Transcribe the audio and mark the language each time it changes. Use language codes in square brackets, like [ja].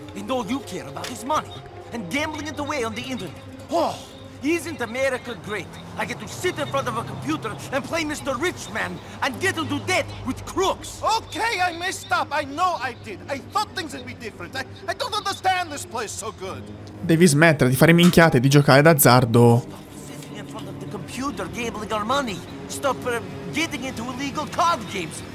[en] And all you care about is money and gambling it away on the internet. Oh, isn't America great? I get to sit in front of a computer and play Mr. Rich Man and get into debt with crooks. Okay, I messed up. I know I did. I thought things would be different. I don't understand this place so good. [it] Devi smettere di fare minchiate e di giocare d'azzardo. [en] Computer gambling our money. Stop getting into illegal card games.